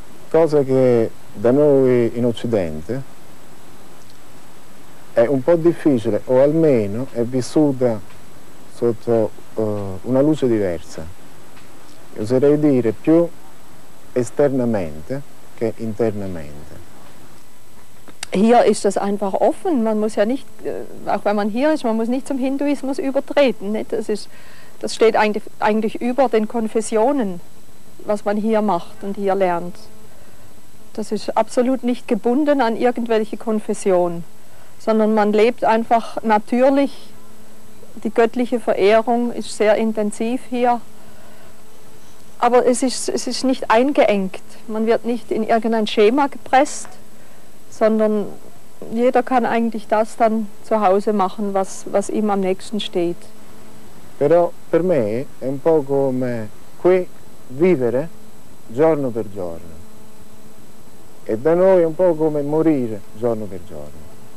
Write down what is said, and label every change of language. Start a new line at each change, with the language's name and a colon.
Italian: cosa che da noi in Occidente è un po' difficile, o almeno è vissuta sotto una luce diversa, oserei dire più esternamente che internamente.
German: Hier ist das einfach offen, man muss ja nicht, auch wenn man hier ist, man muss nicht zum Hinduismus übertreten. Nicht? Das steht eigentlich über den Konfessionen, was man hier macht und hier lernt. Das ist absolut nicht gebunden an irgendwelche Konfession, sondern man lebt einfach natürlich. Die göttliche Verehrung ist sehr intensiv hier. Aber es ist nicht eingeengt, man wird nicht in irgendein Schema gepresst, sondern jeder kann eigentlich das dann zu Hause machen, was ihm am nächsten steht.
Italian: Però per me è un po' come qui vivere giorno per giorno. E da noi è un po' come morire giorno per giorno.